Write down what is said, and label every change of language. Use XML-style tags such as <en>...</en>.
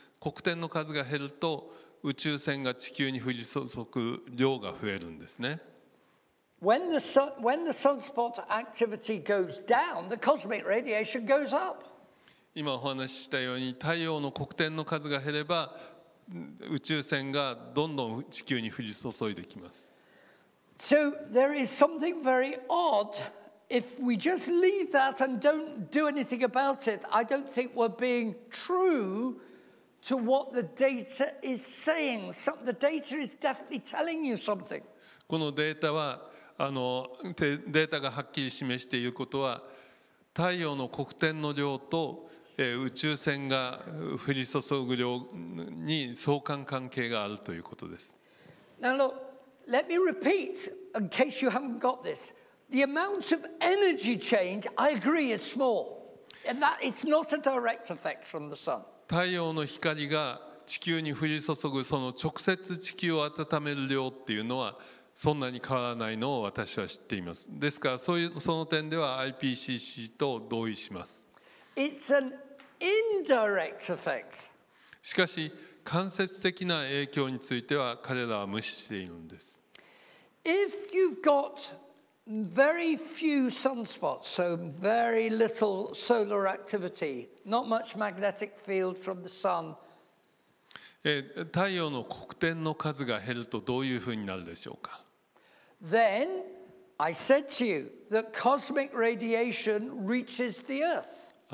<ja>黒点の数が減ると宇宙船が地球に降り注ぐ量が増えるんですね。</ja> <en>When the sunspot activity goes down, the cosmic radiation goes up.</en> <ja>今お話ししたように太陽の黒点の数が減れば宇宙線がどんどん地球に降り注いできます。</ja> <en>So there is something very odd. If we just leave that and don't do anything about it, I don't think we're being true to what the data is saying. So the data is definitely telling you something.</en> <ja>このデータはデータがはっきり示していることは太陽の黒点の量と宇宙線が降り注ぐ量に相関関係があるということです。</ja> <en>Now look, let me repeat in case you haven't got this. The amount of energy change, I agree, is small. And that it's not a direct effect from the sun.</en> <ja>太陽の光が地球に降り注ぐその直接地球を温める量っていうのはそんなに変わらないのを私は知っています。ですからそういうその点では IPCC と同意します。</ja> <en>It's an indirect effect.</en> <ja>しかし間接的な影響については彼らは無視しているんです。</ja> <en>If you've got very few sunspots, so very little solar activity, not much magnetic field from the sun.</en> <ja>太陽の黒点の数が減るとどういうふうになるでしょうか。</ja> <en>Then I said to you that cosmic radiation reaches the Earth.</en>